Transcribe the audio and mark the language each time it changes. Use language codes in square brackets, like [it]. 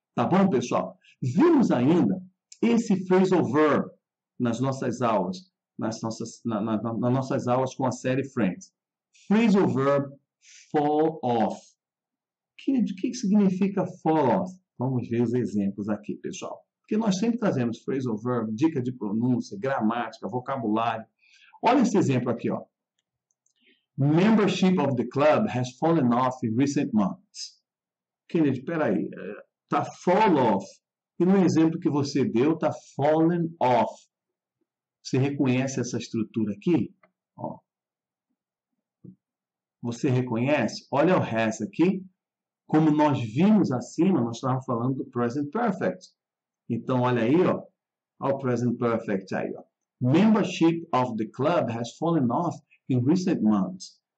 [pt] Tá bom, pessoal? Vimos ainda esse phrasal verb nas nossas aulas, nas nossas aulas com a série Friends. Phrasal verb fall off. O que significa fall off? Vamos ver os exemplos aqui, pessoal. Porque nós sempre trazemos phrasal verb, dica de pronúncia, gramática, vocabulário. Olha esse exemplo aqui, ó. [en] Membership of the club has fallen off in recent months. [pt] Kennedy, peraí, tá fall off. E no exemplo que você deu, tá fallen off. Você reconhece essa estrutura aqui? Ó. Você reconhece? Olha o has aqui. Como nós vimos acima, nós estávamos falando do present perfect. Então, olha aí, ó. Olha o present perfect aí, ó. [en] Membership of the club has fallen off in recent months.